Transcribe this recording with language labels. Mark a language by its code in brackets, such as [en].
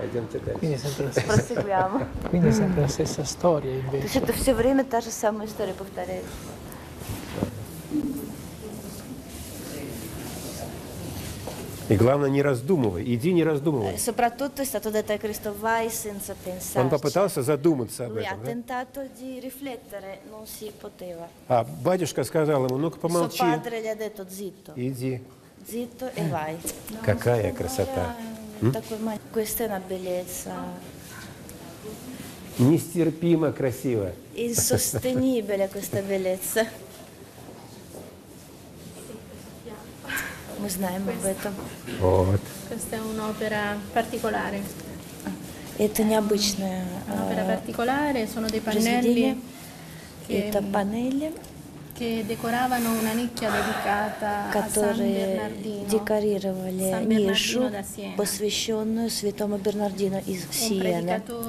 [it] Quindi sempre la stessa storia invece. [ru] Certo, все время та же самая история повторяется. И главное, не раздумывай. Иди, не раздумывай. [it] Soprattutto è stato detto a Cristo, vai senza pensare. [ru] Он попытался задуматься об [it] Lui [ru] этом. [it] Lui ha tentato di riflettere, non si poteva. [ru] А батюшка сказал ему, ну-ка помолчи. [it] Suo padre gli ha detto, zitto. [ru] Иди. [it] Zitto e vai. [ru] Какая красота. [it] Questa è una bellezza. [ru] Нестерпимо красиво. [it] Insostenibile questa bellezza. [ru] Мы знаем об этом. Вот. [it] Questa è un'opera particolare. [ru] Это необычная. [it] Un'opera particolare, sono dei pannelli. [ru] Это панели. [it] Che decoravano una nicchia dedicata a [ru] Святому Бернардино из Сиены.